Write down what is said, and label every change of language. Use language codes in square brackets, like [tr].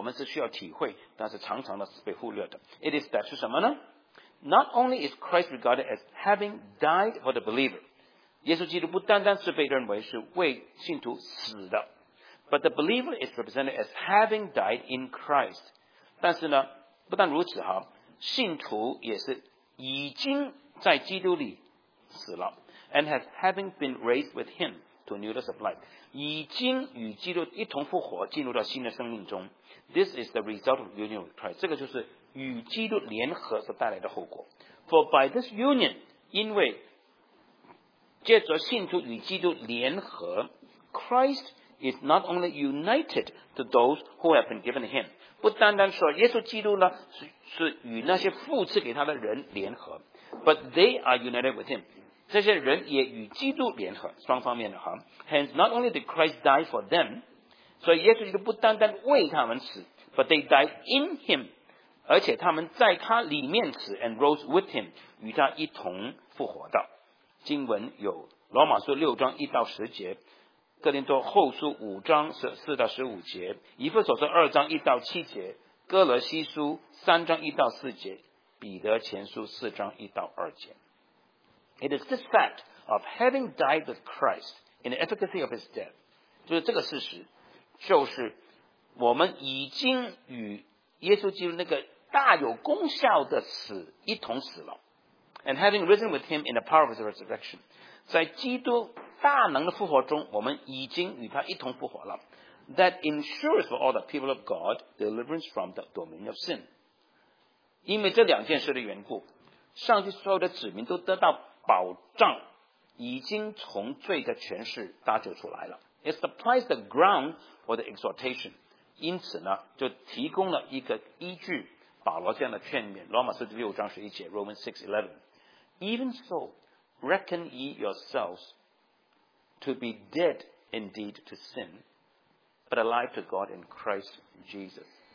[zh] 当我们提到这件事情的时候呢，就有一系列的新约的教训呢，我们是需要体会，但是常常呢是被忽略的。 [en] It is that [zh] 是什么呢 ？ [en] Not only is Christ regarded as having died for the believer， [zh] 耶稣基督不单单是被认为是为信徒死的。 [en] But the believer is represented as having died in Christ， [zh] 但是呢，不但如此哈，信徒也是已经在基督里死了。 [en] and has having been raised with him to newness of life. [zh] 已经与基督一同复活进入到新的生命中, [en] this is the result of union with Christ. [zh] 这个就是与基督联合所带来的后果. [en] For by this union, [zh] 因为借着信徒与基督联合, [en] Christ is not only united to those who have been given him, [zh] 不单单说耶稣基督呢是与那些父赐给他的人联合, [en] but they are united with him. [zh] 这些人也与基督联合,双方面的, [en] hence not only did Christ die for them, [zh] 所以耶稣基督不单单为他们死, [en] but they died in him, [zh] 而且他们在他里面死, [en] and rose with him, [zh] 与他一同复活道。经文有罗马书6章1到10节, 哥林多后书5章14到15节, 以弗所书2章1到7节, 哥罗西书3章1到4节, 彼得前书4章1到2节。 [en] It is this fact of having died with Christ in the efficacy of his death. [zh] 就是这个事实, 就是我们已经与耶稣基督那个大有功效的死一同死了, [en] and having risen with him in the power of his resurrection. [zh] 在基督大能的复活中, 我们已经与他一同复活了, [en] that ensures for all the people of God deliverance from the domain of sin. [zh] 因为这两件事的缘故, 上帝所有的子民都得到 保障已经从罪的权势搭救出来了。 [en] It supplies the ground for the exhortation. [zh] 因此呢，就提供了一个依据保罗这样的劝勉。罗马书6章11节， Romans 6:11。 [en] Even so, reckon ye yourselves to be dead indeed to sin, but alive to God in Christ Jesus.